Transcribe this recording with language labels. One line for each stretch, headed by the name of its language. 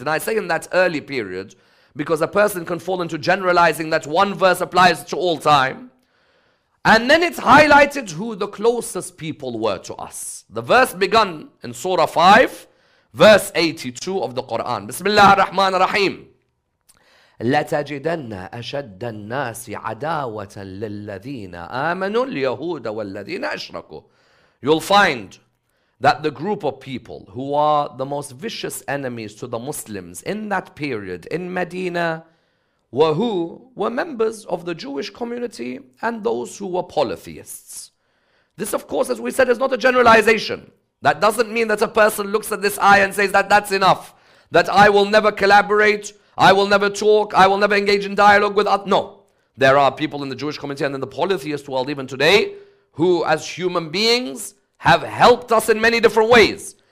English: And I say in that early period because a person can fall into generalizing that one verse applies to all time. And then it's highlighted who the closest people were to us. The verse began in Surah 5, verse 82 of the Quran.
Arabic: Bismillah ar-Rahman ar-Rahim. لتجدن أشد الناس عداوة للذين آمنوا اليهود والذين أشركوا.
English: You'll find that the group of people who are the most vicious enemies to the Muslims in that period in Medina were who? Were members of the Jewish community and those who were polytheists. This, of course, as we said, is not a generalization. That doesn't mean that a person looks at this ayah and says that that's enough, that I will never collaborate, I will never talk, I will never engage in dialogue with others. No, there are people in the Jewish community and in the polytheist world even today who as human beings have helped us in many different ways.